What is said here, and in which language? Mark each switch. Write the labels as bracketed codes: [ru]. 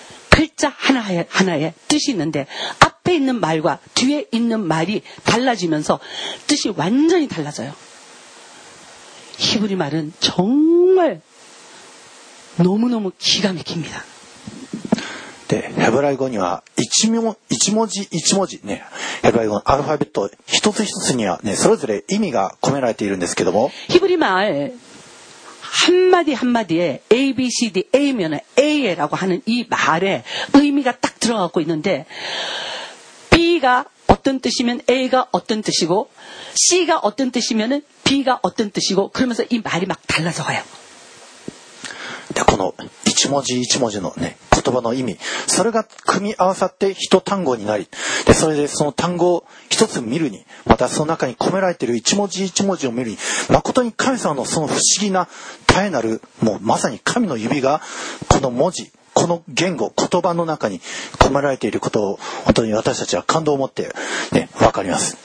[ko] 글자하나에뜻이있는데앞에있는말과뒤에있는말이달라지면서뜻이완전히달라져요히브리말은정말너무너무기가막힙니다 [ja] 네헤브라이어には1文字1文字ね、ヘブライ語のアルファベット一つ一つにはね、それぞれ意味が込められているんですけども。 [ko] 히브리말한마디한마디에 A B C D A 면은 A 에라고하는이말에의미가딱들어가고있는데 B 가어떤뜻이면 A 가어떤뜻이고 C 가어떤뜻이면은B 가어떤뜻이고그러면서이말이막달라져가요 [ja] でこの一文字一文字の、ね、言葉の意味それが組み合わさって一単語になりでそれでその単語を一つ見るにまたその中に込められている一文字一文字を見るに誠に神様のその不思議な絶えなるもうまさに神の指がこの文字この言語言葉の中に込められていることを本当に私たちは感動を持って、ね、分かります